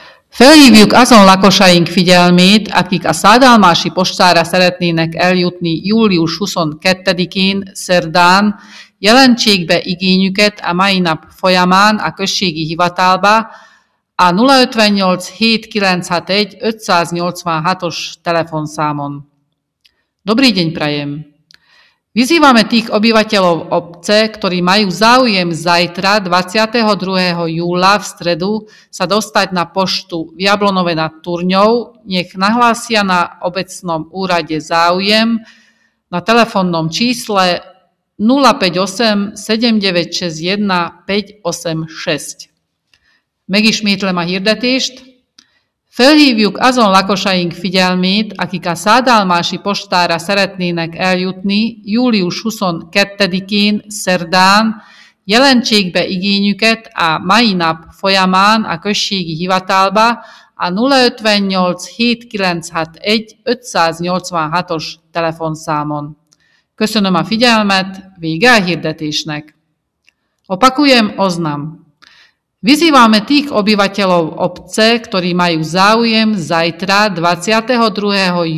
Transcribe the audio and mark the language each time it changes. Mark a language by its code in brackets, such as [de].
[hu] Felhívjuk azon lakosaink figyelmét, akik a Szádalmási postára szeretnének eljutni július 22-én, szerdán, jelentségbe igényüket a mai nap folyamán a községi hivatalba a 058-791-586-os telefonszámon. [sk] Dobrý deň, prajem! Vyzývame tých obyvateľov obce, ktorí majú záujem zajtra 22. júla v stredu sa dostať na poštu v Jablonove nad Turňou, nech nahlásia na obecnom úrade záujem na telefónnom čísle 058-7961-586. [hu] Megismétlem a hirdetést. Felhívjuk azon lakosaink figyelmét, akik a Szádalmási postára szeretnének eljutni július 22-én, szerdán, jelentségbe igényüket a mai nap folyamán a községi hivatalba a 058-791-586-os telefonszámon. Köszönöm a figyelmet, vége a hirdetésnek! [sk] Opakujem oznam. Vyzývame tých obyvateľov obce, ktorí majú záujem zajtra 22.